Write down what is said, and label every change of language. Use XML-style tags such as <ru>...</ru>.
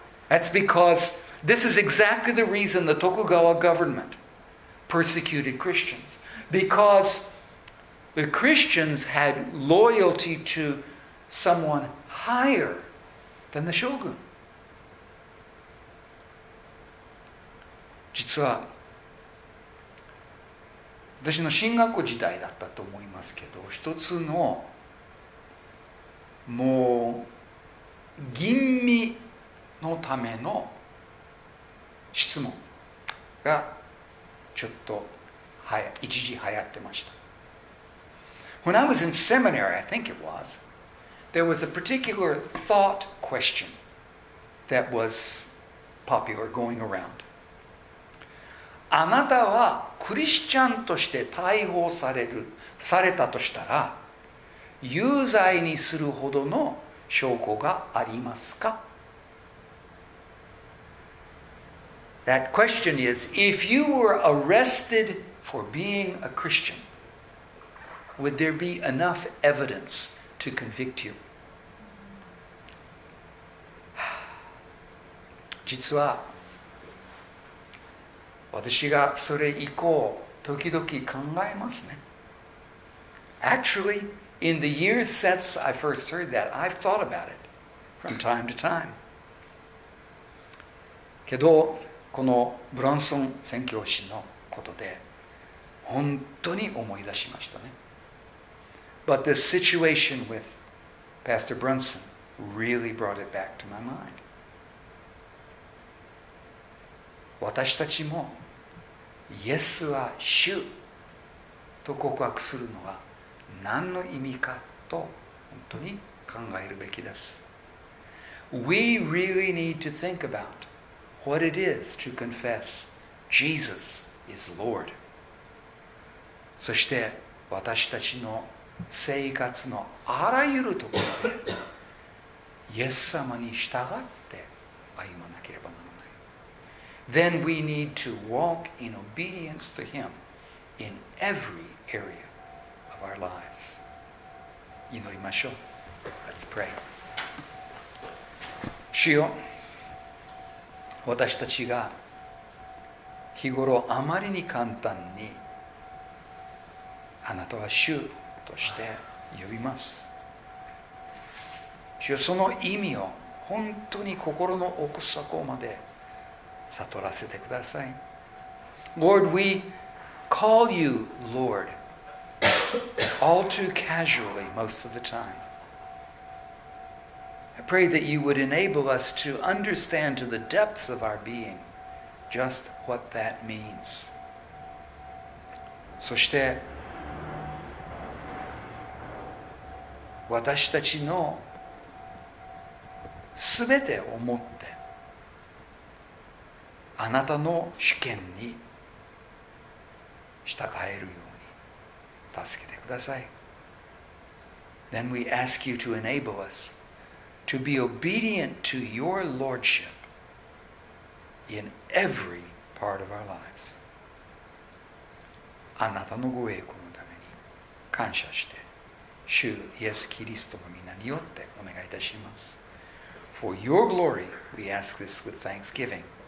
<en>That's because this is exactly the reason the Tokugawa government persecuted Christians. Because the Christians had loyalty to someone higher than the shogun.</en> <ja>実は、私の進学校時代だったと思いますけど、一つのもう吟味のための質問がちょっと一時流行ってました。</ja> <en>When I was in seminary, I think it was, there was a particular thought question that was popular going around.</en> <ja>あなたはクリスチャンとして逮捕されたとしたら、有罪にするほどの証拠がありますか？</ja> <en>That question is, if you were arrested for being a Christian, would there be enough evidence to convict you?</en> <ja>実は、私がそれ以降、時々考えますね。</ja> <en>Actually, in the years since I first heard that, I've thought about it from time to time.</en> <ja>けど、このブランソン宣教師のことで本当に思い出しましたね。</ja> <en>But the situation with Pastor Brunson really brought it back to my mind.</en> <ja>私たちもイエスは主と告白するのは何の意味かと本当に考えるべきです。</ja> <en>We really need to think aboutWhat it is to confess Jesus is Lord.</en> <ja>そして私たちの生活のあらゆるところでイエス様に従って歩まなければならない。</ja> <en>Then we need to walk in obedience to Him in every area of our lives.</en> <ja>祈りましょう。</ja> <en>Let's pray.</en> <ja>主よ、私たちが日頃あまりに簡単にあなたは主として呼びます。主よ、その意味を本当に心の奥底まで悟らせてください。</ja> <en>Lord, we call you Lord all too casually most of the time. I pray that you would enable us to understand to the depths of our being just what that means.</en> <ja>そして私たちのすべてをもってあなたの主権に従えるように助けてください。</ja> <en>Then we ask you to enable us to be obedient to your lordship in every part of our lives.</en> <ja>あなたのご栄光のために感謝して、主イエスキリストの皆によってお願いいたします。</ja> <en>For your glory, we ask this with thanksgiving.</en>